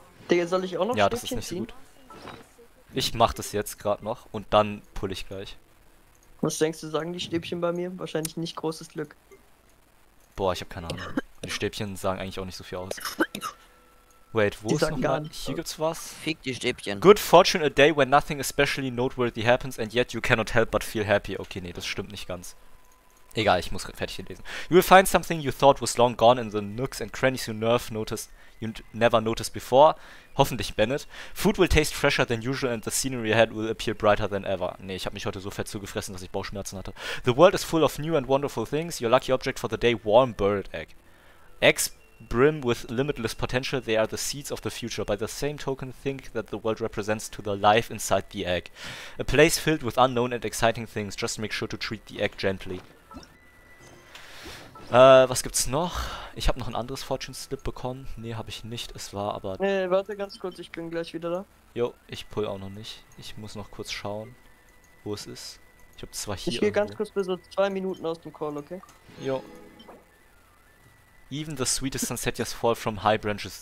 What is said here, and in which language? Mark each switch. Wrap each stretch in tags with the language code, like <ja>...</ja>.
<de>Digga, soll ich auch noch ja, das ist nicht so gut. Ich mach das jetzt gerade noch und dann pull ich gleich. Was denkst du, sagen die Stäbchen bei mir? Wahrscheinlich nicht großes Glück. Boah, ich hab keine Ahnung. Die Stäbchen sagen eigentlich auch nicht so viel aus. Wait, wo die ist nochmal? Hier gibt's was. Fick die Stäbchen.</de> <en>Good fortune a day when nothing especially noteworthy happens and yet you cannot help but feel happy.</en> <de>Okay, nee, das stimmt nicht ganz. Egal, ich muss fertig lesen.</de> <en>You will find something you thought was long gone in the nooks and crannies you never noticed before.</en> <de>Hoffentlich Bennett.</de> <en>Food will taste fresher than usual and the scenery ahead will appear brighter than ever.</en> <de>Nee, ich habe mich heute so fett zugefressen, dass ich Bauchschmerzen hatte.</de> <en>The world is full of new and wonderful things. Your lucky object for the day, warm bird egg. Eggs brim with limitless potential. They are the seeds of the future. By the same token, think that the world represents to the life inside the egg. A place filled with unknown and exciting things. Just make sure to treat the egg gently.</en> <de>Was gibt's noch? Ich habe noch ein anderes Fortune Slip bekommen. Nee, habe ich nicht. Es war aber. Nee, warte ganz kurz, ich bin gleich wieder da. Jo, ich pull auch noch nicht. Ich muss noch kurz schauen, wo es ist. Ich hab zwar hier. Ich gehe ganz kurz für so 2 Minuten aus dem Call, okay? Jo.</de> <en>Even the sweetest sunset just fall from high branches.</en>